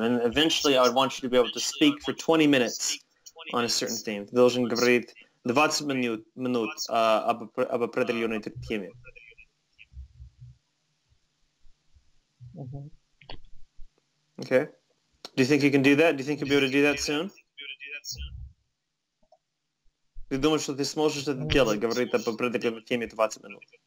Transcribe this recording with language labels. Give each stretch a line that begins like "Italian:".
English: And eventually I would want you to be able to speak for 20 minutes on a certain theme.
Russian: Ты должен говорить 20 минут об определенной теме.
English: Okay. Do you think you can do that? Do you think you'll be able to do that soon?
Russian: Ты думаешь, что ты сможешь это делать, говорить об определенной теме 20 минут?